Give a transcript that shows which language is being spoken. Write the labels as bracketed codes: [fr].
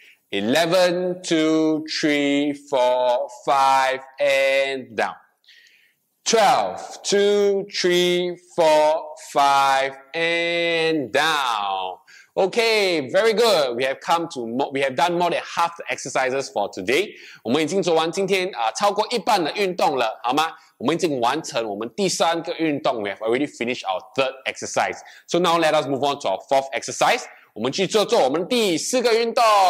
[en] Eleven, two, three, four, five, and down. Twelve, two, three, four, five, and down. Okay, very good. We have done more than half the exercises for today. [zh] 我们已经做完今天啊、超过一半的运动了，好吗？我们已经完成我们第三个运动。 [en] We have already finished our third exercise. So now let us move on to our fourth exercise. [zh] 我们去做我们第四个运动。